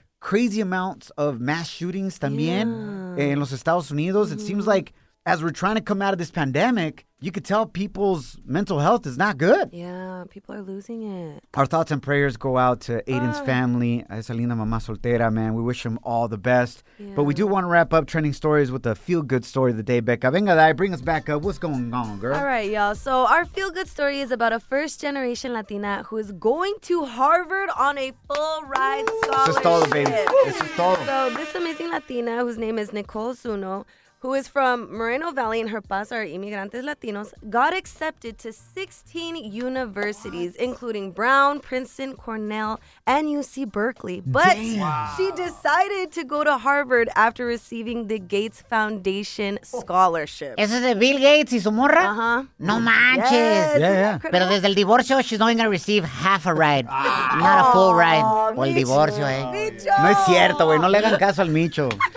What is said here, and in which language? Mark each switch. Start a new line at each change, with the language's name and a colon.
English: Crazy amounts of mass shootings
Spanish: también en los Estados Unidos.
English: Mm-hmm. It seems like as we're trying to come out of this pandemic, you could tell people's mental health is not good. Yeah, people are losing it. Our thoughts and prayers go out to Aiden's family.
Spanish: Esa linda mamá soltera,
English: man. We wish him all the best. Yeah. But we do want to wrap up trending stories with a feel-good story of the day, Becca.
Italian: Venga, dai,
English: bring us back up. What's going on, girl? All right, y'all. So our feel-good story is about a first-generation Latina who is going to Harvard on a full-ride scholarship.
Spanish: Sustado, baby. Sustado.
English: So this amazing Latina, whose name is Nicole Zuno, who is from Moreno Valley and her pas are
Spanish: Inmigrantes Latinos,
English: got accepted to 16 universities, including Brown, Princeton, Cornell, and UC Berkeley. But she decided to go to Harvard after receiving the Gates Foundation scholarship.
Spanish: ¿Eso es de Bill Gates y su morra?
English: Uh-huh.
Spanish: No manches.
English: Yes. Yeah, yeah.
Spanish: Pero desde el divorcio,
English: she's only going to receive half a ride. Not a full ride. Oh,
Spanish: o el divorcio, Micho. No es cierto, güey. No le hagan caso al Micho.